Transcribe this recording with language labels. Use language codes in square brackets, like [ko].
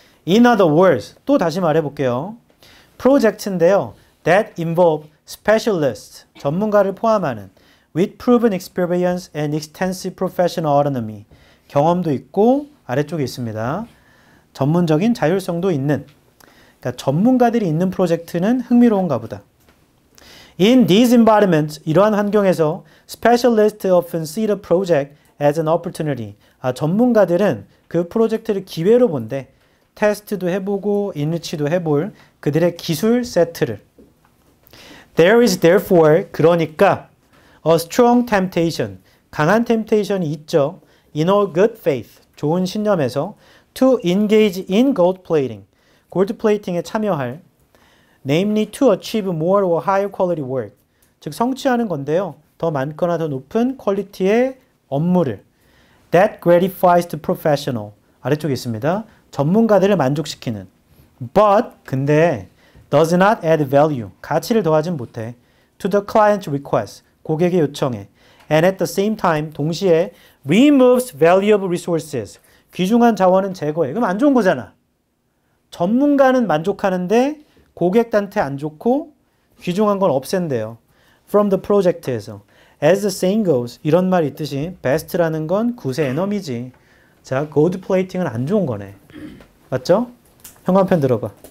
[en] In other words, [ko] 또 다시 말해볼게요. 프로젝트인데요. [en] That involve specialist, [ko] 전문가를 포함하는 [en] with proven experience and extensive professional autonomy, [ko] 경험도 있고 아래쪽에 있습니다. 전문적인 자율성도 있는, 그러니까 전문가들이 있는 프로젝트는 흥미로운가 보다. [en] In these environments, [ko] 이러한 환경에서 [en] specialists often see the project as an opportunity. [ko] 아, 전문가들은 그 프로젝트를 기회로 본대. 테스트도 해보고 인치도 해볼 그들의 기술 세트를. [en] There is therefore, [ko] 그러니까 [en] a strong temptation, 강한 temptation이 있죠. In all good faith, [ko] 좋은 신념에서 [en] to engage in gold plating, [ko] 골드 플레이팅에 참여할. [en] Namely, to achieve more or higher quality work. [ko] 즉, 성취하는 건데요. 더 많거나 더 높은 퀄리티의 업무를. [en] That gratifies the professional. [ko] 아래쪽에 있습니다. 전문가들을 만족시키는. [en] But, [ko] 근데, [en] does not add value. [ko] 가치를 더하진 못해. [en] To the client's request. [ko] 고객의 요청에. [en] And at the same time, [ko] 동시에, [en] removes valuable resources. [ko] 귀중한 자원은 제거해. 그럼 안 좋은 거잖아. 전문가는 만족하는데, 고객한테 안 좋고 귀중한 건 없앤대요. [en] From the project에서. As the saying goes, [ko] 이런 말 있듯이 [en] best라는 건 굿의 에너미지. [ko] 자, gold plating은 안 좋은 거네. 맞죠? 형광펜 들어봐.